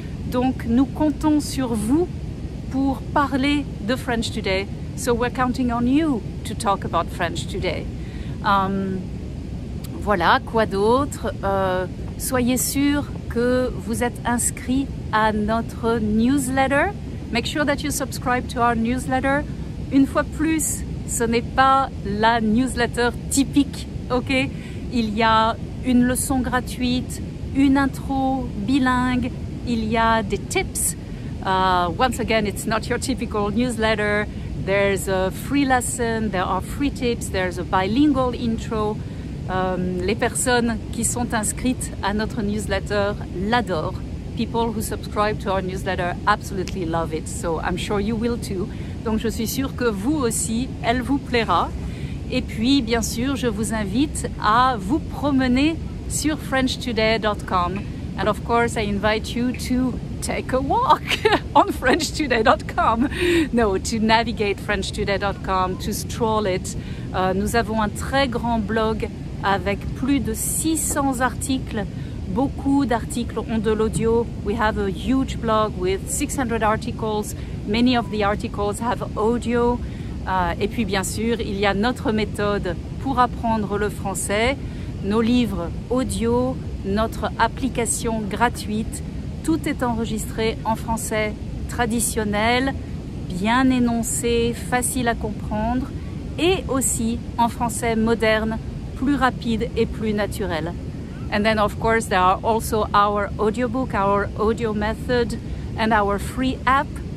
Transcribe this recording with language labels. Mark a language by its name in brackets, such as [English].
[French] Donc, nous comptons sur vous pour parler de French today. [English] So we're counting on you to talk about French today. [French] Voilà, quoi d'autre? Soyez sûr que vous êtes inscrit à notre newsletter. [English] Make sure that you subscribe to our newsletter. [French] Une fois plus, ce n'est pas la newsletter typique, ok? Il y a une leçon gratuite, une intro bilingue, il y a des tips. [English] Once again, it's not your typical newsletter. There's a free lesson, there are free tips, there's a bilingual intro. [French] Les personnes qui sont inscrites à notre newsletter l'adorent. [English] People who subscribe to our newsletter absolutely love it, so I'm sure you will too. [French] Donc je suis sûre que vous aussi, elle vous plaira. Et puis, bien sûr, je vous invite à vous promener sur frenchtoday.com. [English] And of course, I invite you to take a walk on frenchtoday.com. No, to navigate frenchtoday.com, to stroll it. [French] Nous avons un très grand blog avec plus de 600 articles. Beaucoup d'articles ont de l'audio. [English] We have a huge blog with 600 articles. Many of the articles have audio. [French] Et puis, bien sûr, il y a notre méthode pour apprendre le français, nos livres audio, notre application gratuite. Tout est enregistré en français traditionnel, bien énoncé, facile à comprendre, et aussi en français moderne, plus rapide et plus naturel. [English] And then, of course, there are also our audiobook, our audio method, and our free app.